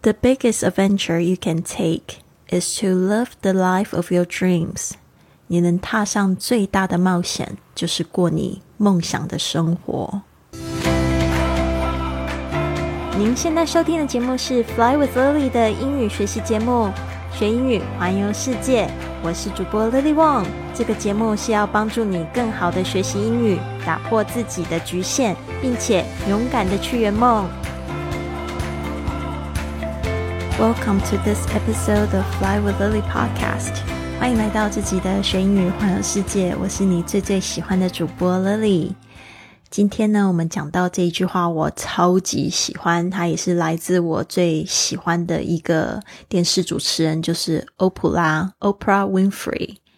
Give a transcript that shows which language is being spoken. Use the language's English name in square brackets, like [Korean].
[English] The biggest adventure you can take is to live the life of your dreams. [Chinese] 你能踏上最大的冒险，就是过你梦想的生活。您现在收听的节目是 Fly with Lily 的英语学习节目，学英语，环游世界。我是主播 Lily Wong。这个节目是要帮助你更好的学习英语，打破自己的局限，并且勇敢的去圆梦。 [English] Welcome to this episode of Fly with Lily podcast. [Chinese] 欢迎来到自己的学英语环游世界，我是你最最喜欢的主播 Lily。今天呢，我们讲到这一句话，我超级喜欢，它也是来自我最喜欢的一个电视主持人，就是欧普拉 Oprah Winfrey。